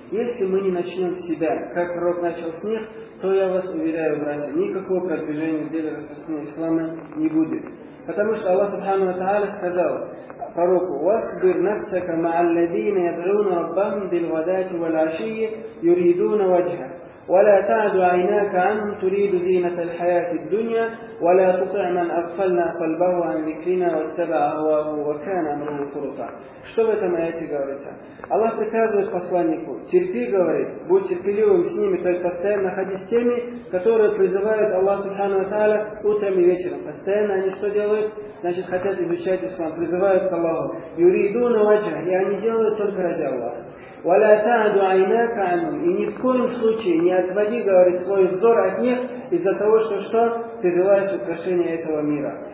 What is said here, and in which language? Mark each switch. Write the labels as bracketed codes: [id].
[ru] Если мы не начнем с себя, как пророк начал с них, то я вас уверяю, братья, никакого продвижения в деле распространения ислама не будет. Потому что Аллах Субхану ва Тааля сказал пророку: [ar] «Васбир нафсака ма'алладзина яд'уна раббахум биль-гадати валь-ашийи юридуна ваджха». ولا تعد عيناك عنهم تريد زينة الحياة الدنيا ولا تطع من أغفلنا قلبه عن ذكرنا واتبع هواه وكان أمره فرطا. [ru] Что в этом аяте говорится? Аллах приказывает посланнику: терпи, говорит, будь терпеливым с ними, то есть постоянно ходи с теми, которые призывают Аллах Субхану ва Тааля утром и вечером. Постоянно они что делают? Значит, хотят изучать ислам, призывают к Аллаху. [ar] Юридуна ваджха, [ru] и они делают только ради Аллаха. [ar] ولا تعد عيناك عنهم [ru] и ни в коем случае не отводи, говорит, свой взор от них из-за того, что ты желаешь украшения этого мира.